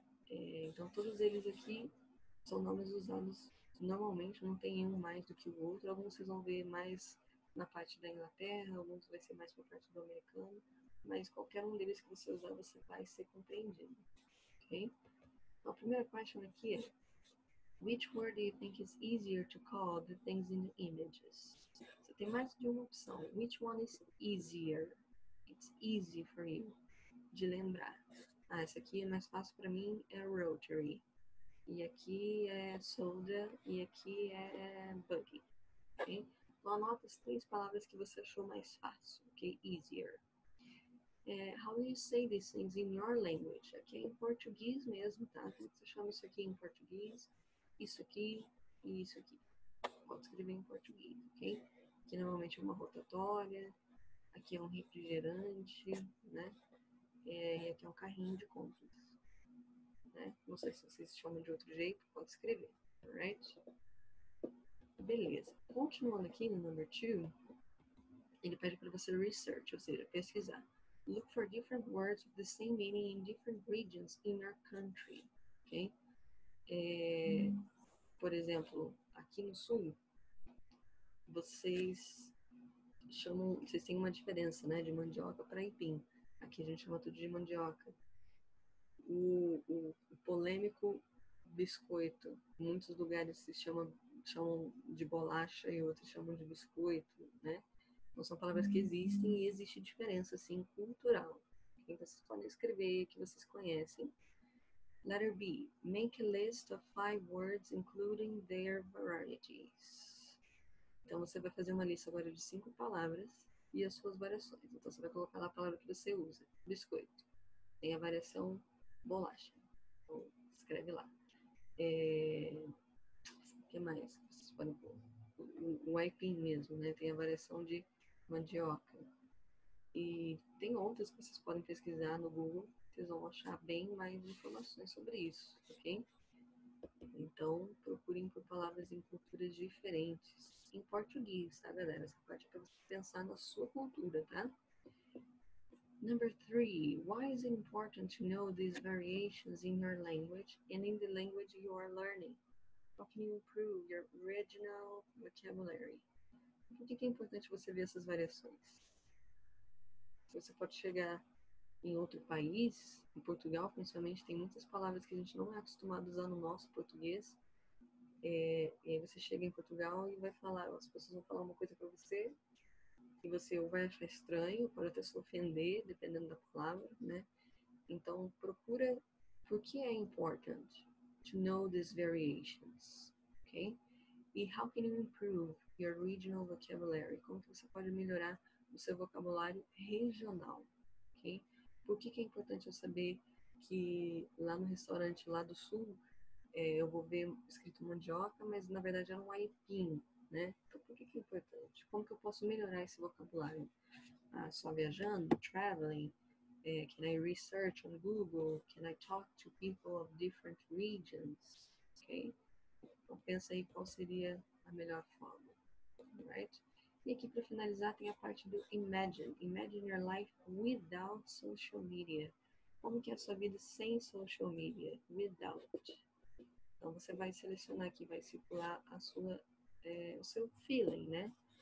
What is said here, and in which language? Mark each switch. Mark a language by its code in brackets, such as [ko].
[pt] Então todos eles aqui são nomes usados normalmente, não tem um mais do que o outro. Alguns vocês vão ver mais na parte da Inglaterra, alguns vai ser mais por parte do americano, mas qualquer um deles que você usar, você vai ser compreendido, ok? Então a primeira question aqui é: [en] which word do you think is easier to call the things in the images? [pt] Você tem mais de uma opção. [en] Which one is easier? It's easy for you. [pt] De lembrar. Ah, essa aqui é mais fácil para mim, é rotary. E aqui é soda. E aqui é buggy. Ok? Então anota as três palavras que você achou mais fácil. [en] Ok? Easier. How do you say these things in your language? [pt] Ok? Em português mesmo, tá? Você chama isso aqui em português. Isso aqui e isso aqui. Pode escrever em português, ok? Aqui normalmente é uma rotatória. Aqui é um refrigerante, né? E aqui é um carrinho de compras, né? Não sei se vocês chamam de outro jeito. Pode escrever, alright? Beleza. Continuando aqui no [en] number two, [pt] ele pede para você research, ou seja, pesquisar. [en] Look for different words with the same meaning in different regions in your country, ok? [pt] Por exemplo, aqui no sul, vocês chamam, vocês têm uma diferença, né, de mandioca para aipim. Aqui a gente chama tudo de mandioca. O polêmico biscoito, em muitos lugares se chama chamam de bolacha e outros chamam de biscoito, né? Então, são palavras que existem e existe diferença, assim, cultural. Então, vocês podem escrever que vocês conhecem. [en] Letter B. Make a list of 5 words, including their varieties. [pt] Então, você vai fazer uma lista agora de 5 palavras e as suas variações. Então, você vai colocar lá a palavra que você usa. Biscoito. Tem a variação bolacha. Então, escreve lá. O que mais vocês podem pôr? Um aipim mesmo, né? Tem a variação de mandioca. E tem outras que vocês podem pesquisar no Google. Vocês vão achar bem mais informações sobre isso, ok? Então, procurem por palavras em culturas diferentes. Em português, tá, galera? Essa parte é pra você pensar na sua cultura, tá? [en] Number 3. Why is it important to know these variations in your language and in the language you are learning? How can you improve your original vocabulary? [pt] Por que é importante você ver essas variações? Você pode chegar em outro país, em Portugal, principalmente, tem muitas palavras que a gente não é acostumado a usar no nosso português. E aí você chega em Portugal e vai falar, as pessoas vão falar uma coisa para você, que você ou vai achar estranho, pode até se ofender, dependendo da palavra, né? Então, procura por que é [en] important to know these variations, [pt] ok? [en] E how can you improve your regional vocabulary? [pt] Como que você pode melhorar o seu vocabulário regional, ok? Por que que é importante eu saber que lá no restaurante lá do sul eu vou ver escrito mandioca, mas na verdade era um aipim, né? Então por que que é importante? Como que eu posso melhorar esse vocabulário? Só viajando? Traveling? [en] Can I research on Google? Can I talk to people of different regions? Ok? [pt] Então pensa aí qual seria a melhor forma. Right? E aqui para finalizar tem a parte do imagine. [en] Imagine your life without social media. [pt] Como que é a sua vida sem social media? Without. Então você vai selecionar aqui, vai circular a sua, o seu feeling, né?